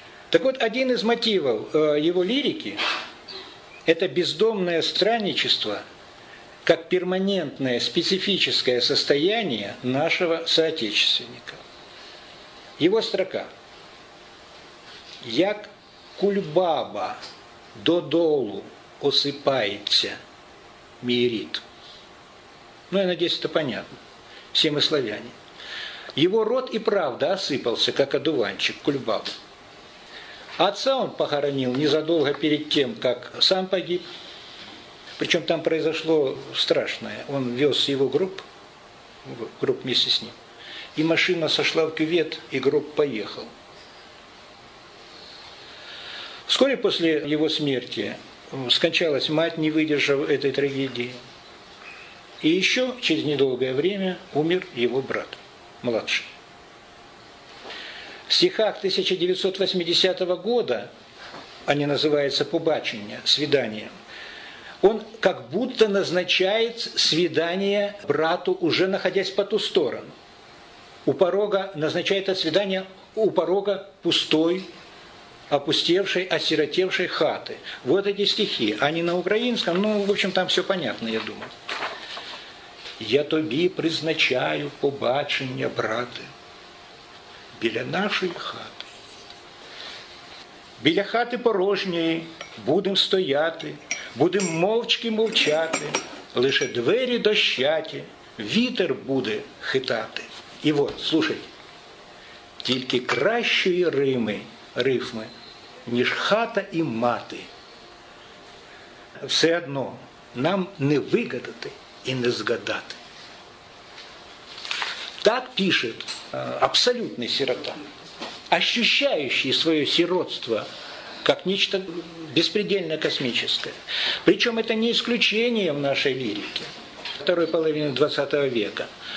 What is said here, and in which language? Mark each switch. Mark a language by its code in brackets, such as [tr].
[ru] Так вот, один из мотивов его лирики – это бездомное странничество, как перманентное специфическое состояние нашего соотечественника. Его строка. [uk] «Як кульбаба додолу осыпается мій рід». [ru] Ну, я надеюсь, это понятно. Все мы славяне. Его род и правда осыпался, как одуванчик, кульбаб. Отца он похоронил незадолго перед тем, как сам погиб. Причем там произошло страшное. Он вез его гроб вместе с ним. И машина сошла в кювет, и гроб поехал. Вскоре после его смерти скончалась мать, не выдержав этой трагедии. И еще через недолгое время умер его брат, младший. В стихах 1980 года, они называются «Побачення», «Свидание», он как будто назначает свидание брату, уже находясь по ту сторону. У порога назначает свидание у порога пустой, опустевшей, осиротевшей хаты. Вот эти стихи, они на украинском, ну, в общем, там все понятно, я думаю. [uk] «Я тобі призначаю побачення, брати, біля нашої хати. Біля хати порожньої будем стояти, будем мовчки мовчати, лише двері дощаті, вітер буде хитати». І от, слухайте, «Тільки кращої рифми, ніж хата і мати, все одно нам не вигадати і не згадати». [ru] Так пишет абсолютный сирота, ощущающий свое сиротство как нечто беспредельно космическое. Причем это не исключение в нашей лирике второй половины 20 века.